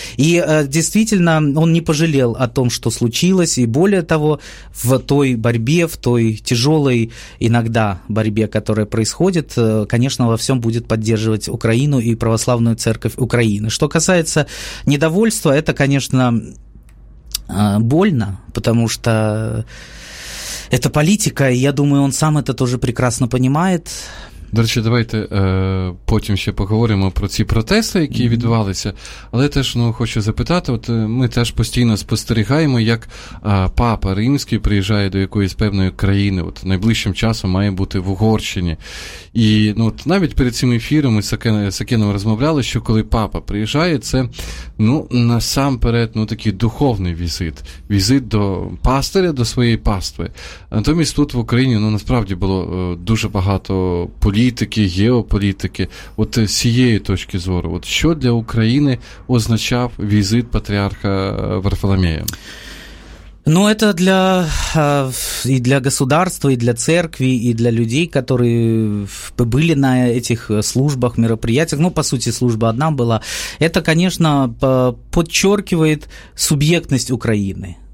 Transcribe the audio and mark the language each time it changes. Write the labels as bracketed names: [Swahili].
[Russian] И действительно, он не пожалел о том, что случилось, и более того, в той борьбе, в той тяжелой иногда борьбе, которая происходит, конечно, во всем будет поддерживать Украину и Православную Церковь Украины. Что касается недовольства, это, конечно, больно, потому что это политика, и я думаю, он сам это тоже прекрасно понимает. [Ukrainian] До речі, давайте потім ще поговоримо про ці протести, які відбувалися. Але теж, ну, хочу запитати, от ми теж постійно спостерігаємо, як папа римський приїжджає до якоїсь певної країни, от найближчим часом має бути в Угорщині. І ну, от, навіть перед цим ефіром ми з Акеном розмовляли, що коли папа приїжджає, це ну, насамперед ну, такий духовний візит. Візит до пастиря, до своєї пастви. Натомість тут в Україні ну, насправді було дуже багато політики, геополітики, от з цієї точки зору, от що для України означав візит патріарха Варфоломея? [Russian] Ну, это для и для государства, и для церкви, и для людей, которые были на этих службах, мероприятиях, ну, по сути, служба одна была, это, конечно, подчеркивает субъектность Украины.